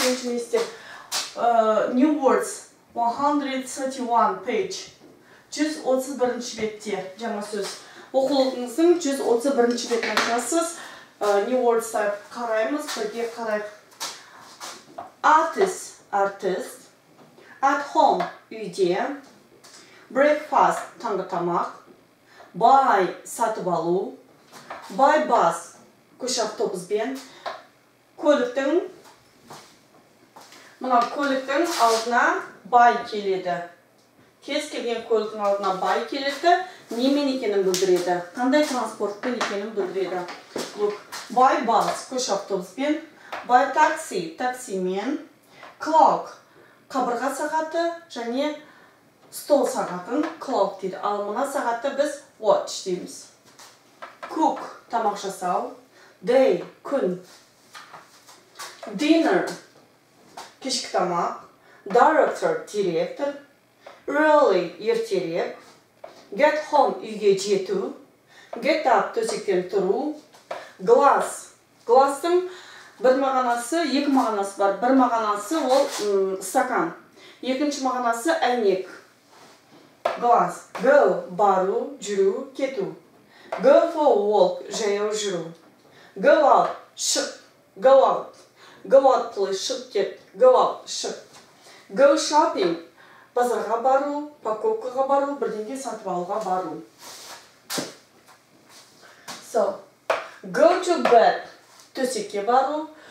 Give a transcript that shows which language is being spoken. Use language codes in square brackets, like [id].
[kk] Бірінші мен істе. [en] New words 131 page. [kk] 131-ші бетте жаңа сөз. Оқулығыңыздың 131-ші бетін ашасыз. [en] New words type [kk] қараймыз, бірге қарайық. [en] Artist, artist. At home, үйде. [kk] Breakfast, таңғы тамақ. Buy, сатып алу. [en] Buy bus, [kk] көш автобуспен. Көліктің алдына buy келеді. Кез келген көліктің алдына buy келеді. Немен екенін білдіреді. Қандай транспортпен екенін білдіреді. [en] Look. [kk] By bus, көш автобуспен. [en] By taxi, таксимен. [kk] Clock, қабырға сағаты, және стол сағатын clock дейді. Ал мына сағатты біз watch дейміз. Cook, тамақ жасау. Day, күн. Dinner, кешкі тамақ. Director, директор. Early, ертерек. Get home, үйге жету. Get up, төсектен тұру. [en] Glass. [kk] Glass-тың бір мағанасы, екі мағанасы бар. Бір мағанасы ол стакан. Екінші мағанасы әйнек. Glass. Go. Бару, жүру, кету. [en] Go for a walk. [kk] Жаяу жүру. [en] Go out. Шық. Go out. Go out, please. [kk] Шық кет. [en] Go out. Шық. Go shopping. [kk] Базарға бару, покупкаға бару, бірдеңге сатып алуға бару. [en] So. [kk] Go to bed, төсекке бару.